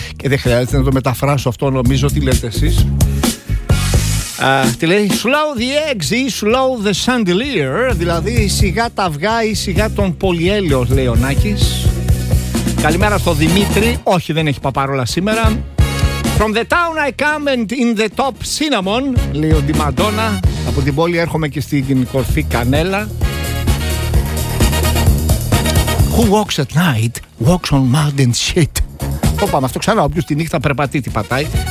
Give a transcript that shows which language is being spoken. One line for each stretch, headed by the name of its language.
Greek: Και δεν χρειάζεται να το μεταφράσω αυτό, νομίζω, τι λέτε εσείς. Τι λέει,
English: slow the eggs
Greek: ή
English: slow the chandelier,
Greek: δηλαδή σιγά τα αυγά ή σιγά τον πολυέλαιο, λέει ο Νάκης. Καλημέρα στο Δημήτρη, όχι δεν έχει παπάρολα σήμερα.
English: From the town I come and in the top cinnamon,
Greek: λέει ο Ντιμαντώνα. Από την πόλη έρχομαι και στην κορφή κανέλα.
English: Who walks at night, walks on mud and shit.
Greek: Το πάμε αυτό ξανά, όποιος τη νύχτα περπατεί τι πατάει.